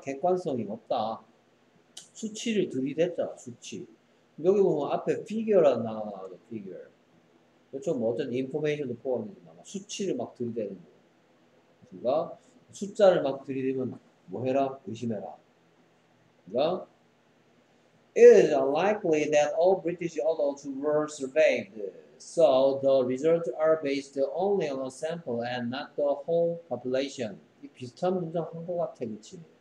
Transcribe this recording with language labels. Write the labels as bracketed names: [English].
[Korean] 객관성이 없다. 수치를 들이댔다. 수치. 여기 보면 앞에 figure라는 단어가 나와요. figure. 좀 어떤 information도 포함되지 않아. 수치를 막 들이대는 거. 그러니까 숫자를 막 들이대면 뭐 해라? 의심해라. 그러니까 [English] It is unlikely that all British adults were surveyed. So the results are based only on a sample and not the whole population. [Korean] 이 비슷한 문장 한것 같아, 그치?